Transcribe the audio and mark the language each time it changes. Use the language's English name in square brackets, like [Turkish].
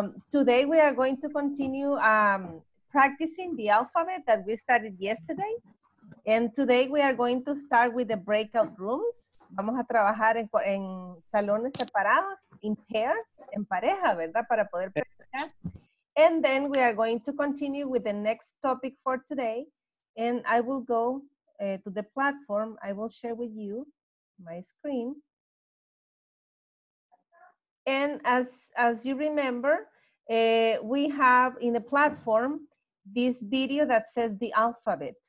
[English] Today we are going to continue practicing the alphabet that we started yesterday. And today we are going to start with the breakout rooms. [Spanish] Vamos a trabajar en salones separados, [English] in pairs, [Spanish] en pareja, ¿verdad? Para poder practicar. [English] And then we are going to continue with the next topic for today. And I will go to the platform. I will share with you my screen. And as you remember, we have in the platform this video that says the alphabet.